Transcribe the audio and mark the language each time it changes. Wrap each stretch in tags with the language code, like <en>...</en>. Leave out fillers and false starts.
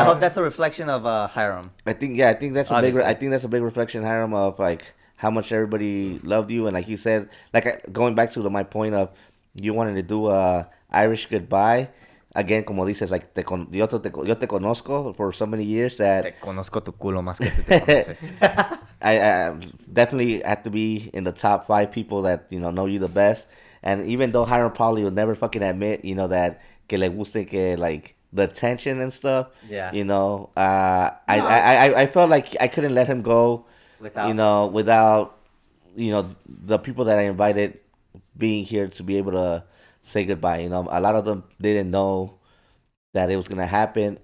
<en>I hope that's a reflection of Hiram. I think that's a big reflection, Hiram, of like... how much everybody loved you. And like you said, like going back to my point of you wanting to do a Irish goodbye, again,</en> <es>como dices,</es> <en>like,</en> <es>yo te conozco</es> <en>for so many years that...</en> <es>Te conozco tu culo más que tú te conoces.</es> <en>I definitely have to be in the top five people that, you know you the best. And even though Hiram probably will never fucking admit, you know, that</en> <es>que le guste que,</es> <en>like, the tension and stuff. Yeah. You know, I felt like I couldn't let him go. Without you know, the people that I invited being here to be able to say goodbye, you know, a lot of them didn't know that it was going to happen.</en>